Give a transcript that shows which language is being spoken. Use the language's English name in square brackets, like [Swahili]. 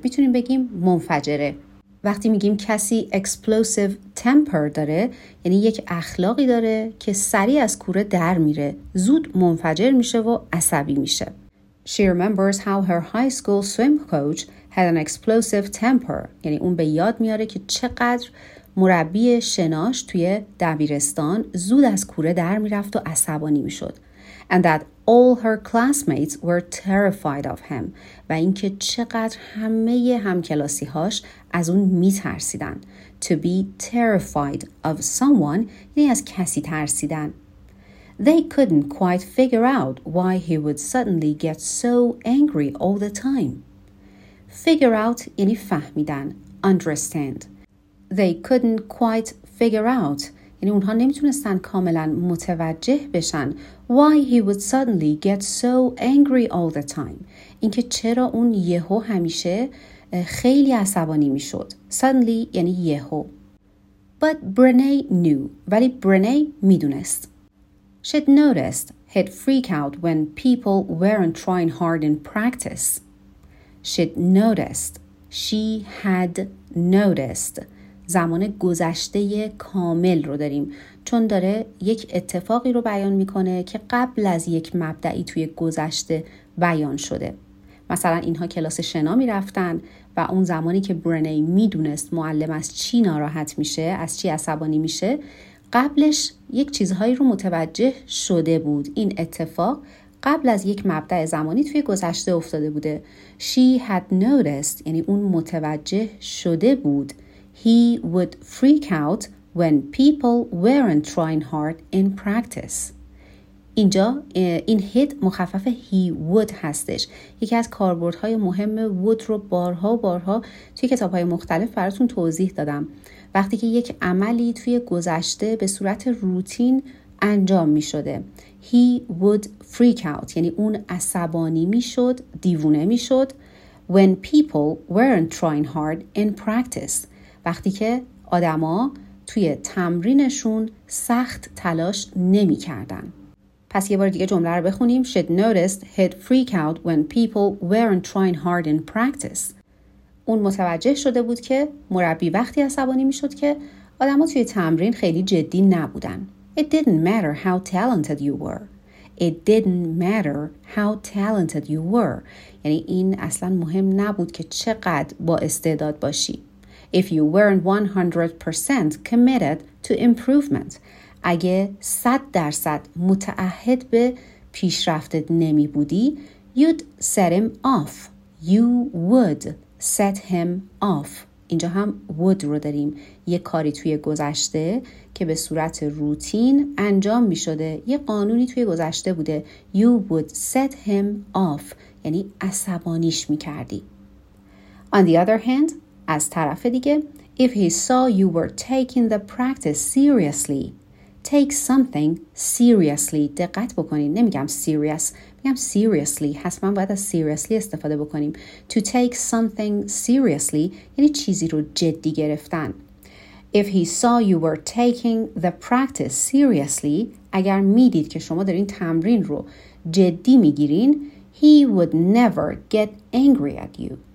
[Persian] میتونیم بگیم منفجره. وقتی میگیم کسی [English] explosive temper [Persian] داره، یعنی یک اخلاقی داره که سریع از کوره در میره، زود منفجر میشه و عصبی میشه. [English] She remembers how her high school swim coach had an explosive temper. [Persian] یعنی اون به یاد میاره که چقدر مربی شناش توی دبیرستان زود از کوره در می‌رفت و عصبانی می‌شد. [English] And that all her classmates were terrified of him. [Persian] و اینکه چقدر همه همکلاسی‌هاش از اون می‌ترسیدن. [English] To be terrified of someone [Persian] یعنی از کسی ترسیدن. [English] They couldn't quite figure out why he would suddenly get so angry all the time. Figure out [Persian] یعنی فهمیدن. [English] Understand. They couldn't quite figure out. [Persian] یعنی اونها نمیتونستن کاملا متوجه بشن [English] why he would suddenly get so angry all the time. [Persian] اینکه چرا اون یهو همیشه خیلی عصبانی میشد. [English] Suddenly [Persian] یعنی یهو. [English] But Brené knew. [Persian] ولی Brené میدونست. [English] She'd noticed he'd freak out when people weren't trying hard in practice. She'd noticed. She had noticed. [Persian] زمان گذشته کامل رو داریم، چون داره یک اتفاقی رو بیان میکنه که قبل از یک مبدعی توی گذشته بیان شده. مثلا اینها کلاس شنا می رفتن و اون زمانی که برنی می دونست معلم از چی ناراحت میشه، از چی عصبانی میشه، قبلش یک چیزهایی رو متوجه شده بود. این اتفاق قبل از یک مبدع زمانی توی گذشته افتاده بوده. [English] She had noticed، [Persian] یعنی اون متوجه شده بود. [English] He would freak out when people weren't trying hard in practice. [Persian] اینجا این هید مخفف هی وود هستش. یکی از کاربردهای مهم وود رو بارها و بارها توی کتابهای مختلف براتون توضیح دادم. وقتی که یک عملی توی گذشته به صورت روتین انجام می شده، [English] he would freak out, [Persian] یعنی اون عصبانی می شد، دیوونه می شد، [English] when people weren't trying hard in practice، [Persian] وقتی که آدما توی تمرینشون سخت تلاش نمی کردن. پس یه بار دیگه جمله رو بخونیم. [English] She'd noticed he'd freak out when people weren't trying hard in practice. [Persian] اون متوجه شده بود که مربی وقتی عصبانی می شد که آدم ها توی تمرین خیلی جدی نبودن. [English] It didn't matter how talented you were. It didn't matter how talented you were. [Persian] یعنی این اصلا مهم نبود که چقدر با استعداد باشی. [English] If you weren't 100% committed to improvement. [Persian] اگه 100% متعهد به پیشرفتت نمی بودی، [English] you'd set him off. You would set him off. [Persian] اینجا هم would رو داریم. یه کاری توی گذشته که به صورت روتین انجام می شده. یه قانونی توی گذشته بوده. [English] You would set him off. [Persian] یعنی عصبانیش می کردی. [English] On the other hand، [Persian] از طرف دیگه، [English] if he saw you were taking the practice seriously، take something seriously. [Persian] دقت بکنید، نمیگم serious، میگم seriously. حتما باید از seriously استفاده بکنیم. [English] To take something seriously [Persian] یعنی چیزی رو جدی گرفتن. [English] If he saw you were taking the practice seriously، [Persian] اگر میدید که شما دارین تمرین رو جدی میگیرین، [English] he would never get angry at you.